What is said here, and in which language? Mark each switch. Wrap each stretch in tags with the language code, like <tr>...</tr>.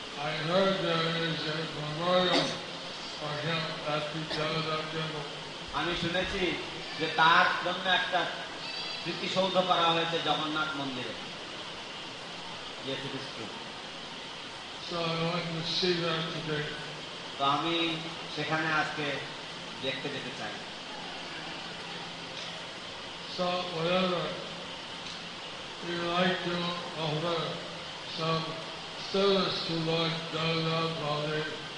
<en>I heard there is a memorial for him at the Jagannath Temple.</en> <bn>আমি শুনেছি যে তার জন্য একটা স্মৃতিসৌধ করা হয়েছে জগন্নাথ মন্দিরে।</bn> <en>Yes, it is true. So I want to see that today.</en> <bn>তো আমি সেখানে আজকে দেখতে যেতে চাই।</bn> <en>So whatever you like to offer some service to Lord Jagannath Balaram,</en>